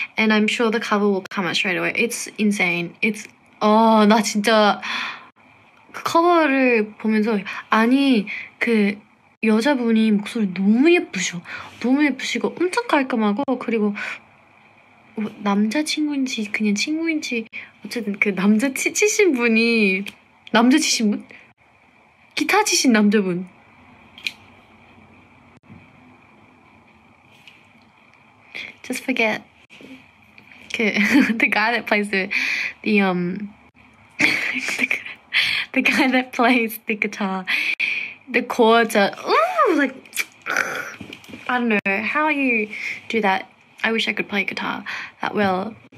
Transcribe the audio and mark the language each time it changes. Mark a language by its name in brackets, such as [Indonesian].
[English] And I'm sure the cover will come out straight away. It's insane. It's, oh, [Korean] 나 진짜 그 커버를 보면서 아니, 그 여자분이 목소리 너무 예쁘셔. 너무 예쁘시고 엄청 깔끔하고 그리고 남자친구인지 그냥 친구인지 어쨌든 그 남자 치신 분이 남자 치신 분? 기타 치신 남자분 [English] Just forget 그 the guy that plays the guy that plays the guitar the chords are ooh, like I don't know how you do that I wish I could play guitar that well.